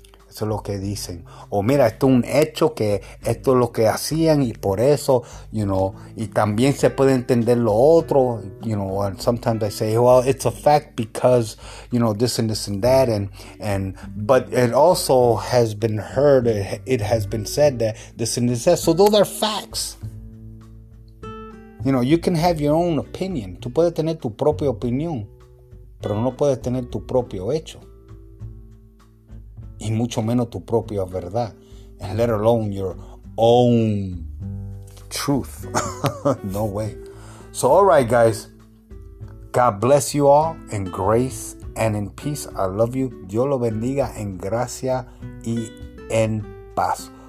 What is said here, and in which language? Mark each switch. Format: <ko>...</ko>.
<es>Eso es lo que dicen. O mira, esto es un hecho, que esto es lo que hacían, y por eso, you know, y también se puede entender lo otro, you know.</es> <en>And sometimes I say, well, it's a fact because, you know, this and this and that, and but it also has been heard, it has been said that this and this. So those are facts. You know, you can have your own opinion.</en> <es>Tú puedes tener tu propia opinión, pero no puedes tener tu propio hecho. Y mucho menos tu propia verdad.</es> <en>And let alone your own truth. No way. So, all right, guys. God bless you all in grace and in peace. I love you.</en> <es>Dios lo bendiga en gracia y en paz.</es>